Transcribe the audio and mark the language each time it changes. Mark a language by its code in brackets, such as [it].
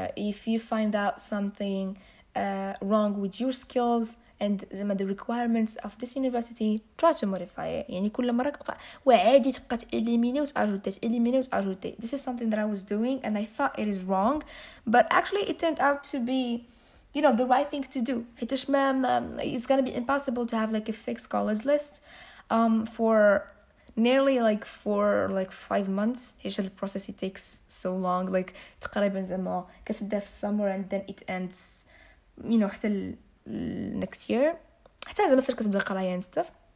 [en] If you find out something wrong with your skills and the requirements of this university, try to modify it. [ar] يعني كل مرة كبقى وعادي تبقى تإليميني وتأجوتي تإليميني وتأجوتي. [en] This is something that I was doing and I thought it is wrong, but actually it turned out to be, you know, the right thing to do. [ar] حيتاش ما [en] it's gonna be impossible to have like a fixed college list for nearly like 4 or 5 months. It's just the process, it takes so long, like [ar] تقريبا زعما كتبدا في السمر [en] and then it ends, you know, حتى next year, [ar] حتى زعما فاش كتبدا القرايه [en] and stuff.